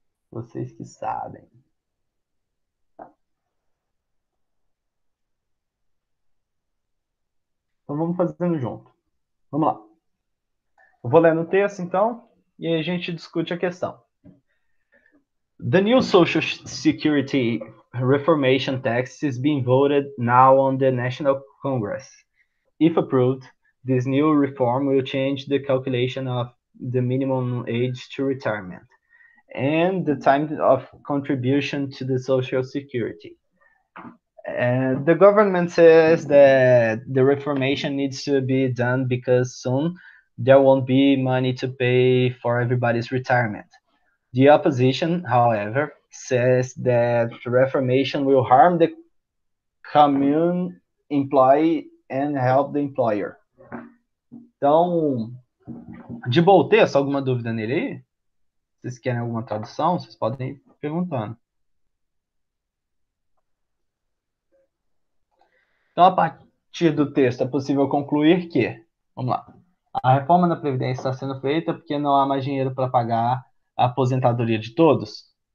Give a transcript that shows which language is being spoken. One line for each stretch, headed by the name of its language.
Portuguese: Vocês que sabem. Então vamos fazendo junto. Vamos lá. Eu vou ler no texto então, e aí a gente discute a questão.
English: The new Social Security Reformation Tax is being voted now on the National Congress. If approved, this new reform will change the calculation of the minimum age to retirement. And the time of contribution to the Social Security. The government says that the reformation needs to be done because soon there won't be money to pay for everybody's retirement. The opposition, however, says that reformation will harm the Come employ and help the employer.
Portuguese: Então, de boa, tem só alguma dúvida nele aí? Vocês querem alguma tradução? Vocês podem ir perguntando. Então, a partir do texto, é possível concluir que, vamos lá, a reforma da Previdência está sendo feita porque não há mais dinheiro para pagar a aposentadoria de todos.